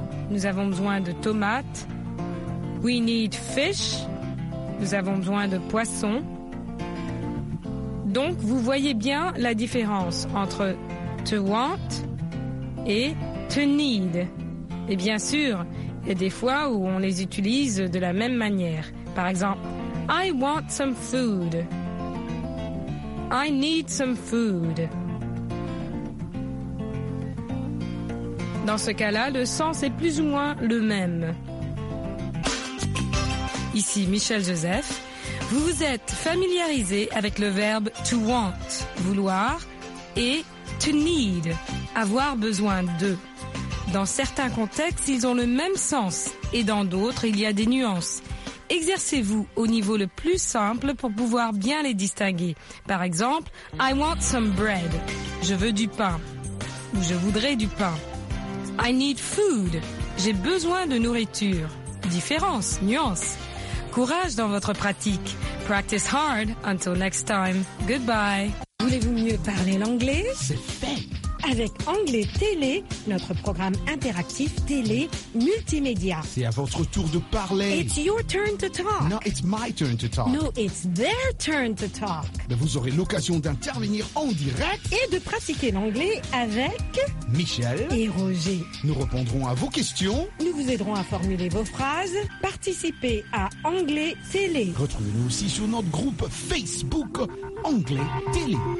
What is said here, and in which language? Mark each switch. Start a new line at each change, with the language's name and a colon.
French: Nous avons besoin de tomates.
English: We need fish.
French: Nous avons besoin de poissons. Donc, vous voyez bien la différence entre
English: to want
French: et
English: to need.
French: Et bien sûr, il y a des fois où on les utilise de la même manière. Par exemple,
English: I want some food. I need some food.
French: Dans ce cas-là, le sens est plus ou moins le même. Ici Michel Joseph. Vous vous êtes familiarisé avec le verbe
English: to want,
French: vouloir, et
English: to need,
French: avoir besoin de. Dans certains contextes, ils ont le même sens et dans d'autres, il y a des nuances. Exercez-vous au niveau le plus simple pour pouvoir bien les distinguer. Par exemple,
English: I want some bread.
French: Je veux du pain. Ou je voudrais du pain.
English: I need food.
French: J'ai besoin de nourriture. Différence, nuance. Courage dans votre pratique.
English: Practice hard. Until next time. Goodbye.
French: Voulez-vous mieux parler l'anglais? C'est fait. Avec Anglais Télé, notre programme interactif télé multimédia. C'est à votre tour de parler.
English: It's your turn to talk. No, it's my turn to talk. No, it's their turn to talk.
French: Mais vous aurez l'occasion d'intervenir en direct. Et de pratiquer l'anglais avec... Michel. Et Roger. Nous répondrons à vos questions. Nous vous aiderons à formuler vos phrases. Participez à Anglais Télé. Retrouvez-nous aussi sur notre groupe Facebook Anglais Télé.